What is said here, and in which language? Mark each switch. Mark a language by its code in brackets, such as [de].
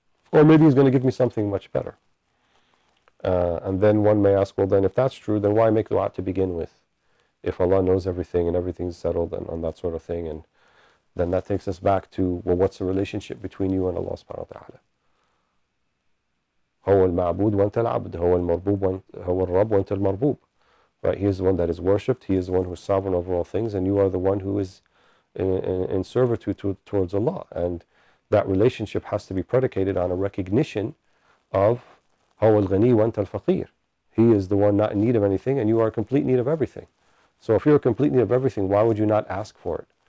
[en] Or maybe He's going to give me something much better. And then one may ask, well, then if that's true, then why make dua to begin with? If Allah knows everything and everything's settled and on that sort of thing, and then that takes us back to, well, what's the relationship between you and Allah subhanahu wa ta'ala? [ar] هو المعبود وانت العبد هو المربوب هو الرب وانت المربوب. [en] Right, He is the one that is worshipped, He is the one who is sovereign over all things, and you are the one who is in servitude towards Allah. And that relationship has to be predicated on a recognition of [ar] هو الغني وانت الفقير. [en] He is the one not in need of anything, and you are in complete need of everything. So if you're in complete need of everything, why would you not ask for it?